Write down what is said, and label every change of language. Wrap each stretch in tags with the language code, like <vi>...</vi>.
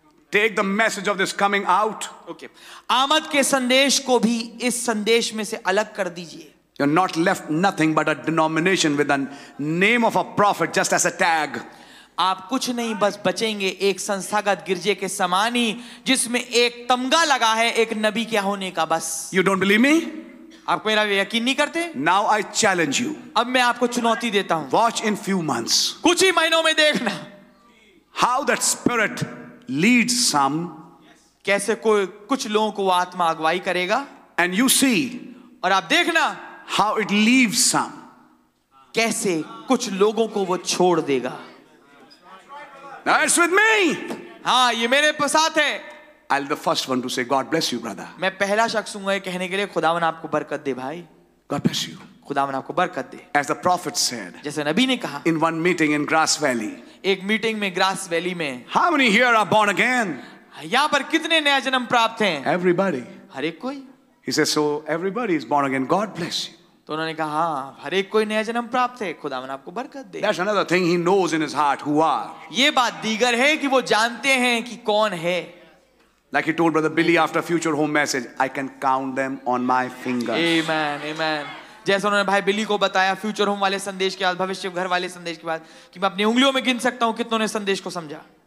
<en>take the message of this coming out.</en> <hi>Okay. आमद के संदेश को भी इस संदेश में से अलग कर दीजिए.</hi> <en>You're not left nothing but a denomination with the name of a prophet just as a tag.</en> <hi>आप कुछ नहीं बस बचेंगे एक संस्थागत गिरजे के समान ही जिसमें एक तमगा लगा है एक नबी क्या होने का बस.</hi> <en>You don't believe me?</en> <hi>आप मेरा यकीन नहीं करते?</hi> <en>Now I challenge you.</en> <hi>अब मैं आपको चुनौती देता हूँ.</hi> <en>Watch in few months.</en> <hi>कुछ ही महीनों में देखना.</hi> <en>How that spirit leads some.</en> <hi>कैसे कोई कुछ लोगों को आत्मा अगुवाई करेगा.</hi> <en>And you see.</en> <hi>और आप देखना.</hi> <en>How it leaves some.</en> <hi>कैसे कुछ लोगों को वो छोड़ देगा.</hi> <en>That's with me.</en> <hi>हाँ ये मेरे साथ है.</hi> <en>I'll the first one to say God bless you, brother.</en> <hi>मैं पहला शख्स हूँ ये कहने के लिए खुदावन आपको बरकत दे भाई.</hi> <en>God bless you.</en> <hi>खुदावन आपको बरकत दे.</hi> <en>As the prophet said.</en> <hi>जैसे नबी ने कहा.</hi> <en>In one meeting in Grass Valley.</en> <hi>एक मीटिंग में ग्रास वैली में.</hi> <en>How many here are born again?</en> <hi>यहाँ पर कितने नया जन्म प्राप्त हैं?</hi> <en>Everybody.</en> <hi>हर एक कोई.</hi> <en>He says so everybody is born again. God bless you.</en> <hi>तो उन्होंने कहा हाँ हर एक कोई नया जन्म प्राप्त है खुदावन आपको बरकत दे.</hi> <en>That's another thing he knows in his heart who are.</en> <hi>ये बात दीगर है कि वो जानते हैं कि कौन है.</hi> <en>Like he told brother Billy after future home message, I can count them on my fingers. Amen, amen.</en> <hi>जैसे उन्होंने भाई बिली को बताया future home वाले संदेश के बाद भविष्य घर वाले संदेश के बाद कि मैं अपनी उंगलियों में गिन सकता हूँ कितनों ने संदेश को समझा.</hi>